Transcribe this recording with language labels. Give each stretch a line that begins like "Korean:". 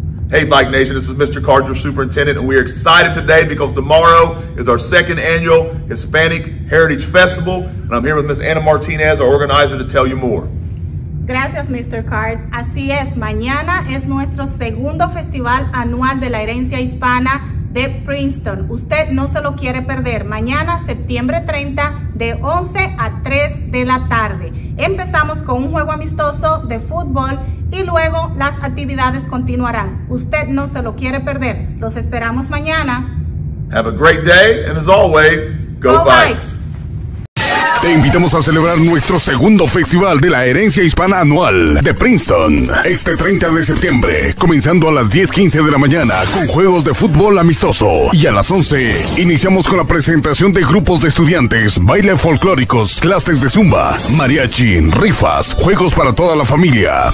English: Hey, Vike Nation, this is Mr. Carter, superintendent, and we are excited today because tomorrow is our second annual Hispanic Heritage Festival, and I'm here with Ms. Anna Martinez, our organizer, to tell you more.
Spanish: Gracias, Mr. Card. Así es, mañana es nuestro segundo festival anual de la herencia hispana de Princeton. Usted no se lo quiere perder. Mañana, septiembre 30, de 11 a 3 de la tarde. Empezamos con un juego amistoso de fútbol y luego las actividades continuarán. Usted no se lo quiere perder. Los esperamos mañana.
English: Have a great day, and as always, go Vikes!
Spanish: Te invitamos a celebrar nuestro segundo festival de la herencia hispana anual de Princeton, este 30 de septiembre, comenzando a las 10:15 de la mañana con juegos de fútbol amistoso. Y a las 11, iniciamos con la presentación de grupos de estudiantes, baile folclóricos, clases de zumba, mariachi, rifas, juegos para toda la familia.